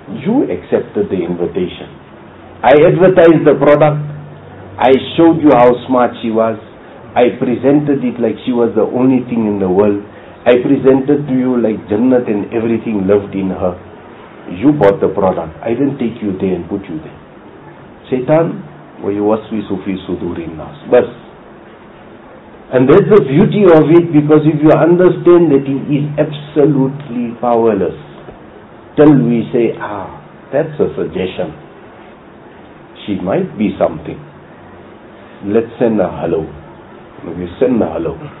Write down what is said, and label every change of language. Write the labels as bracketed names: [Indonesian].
[English] You accepted the invitation. I advertised the product. I showed you how smart she was. I presented it like she was the only thing in the world. I presented to you like Jannat and everything loved in her. You bought the product. I didn't take you there and put you there. [Arabic] Shaitan, وَيُوَسْوِسُ فِي صُدُورِ النَّاسِ. Bas. [English] And that's the beauty of it, because if you understand that he is absolutely powerless, till we say, ah, that's a suggestion. She might be something. Let's send a hello. We send a hello.